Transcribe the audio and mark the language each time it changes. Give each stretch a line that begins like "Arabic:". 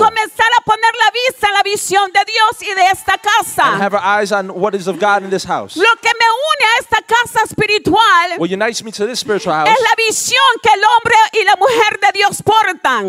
Spanish: y comenzar a poner la vista en la visión de Dios y de esta casa.
English: And have our eyes on what is of God in this house.
Spanish: Lo que me une a esta casa espiritual,
English: what unites me to this spiritual house,
Spanish: es la visión que el hombre y la mujer de Dios portan.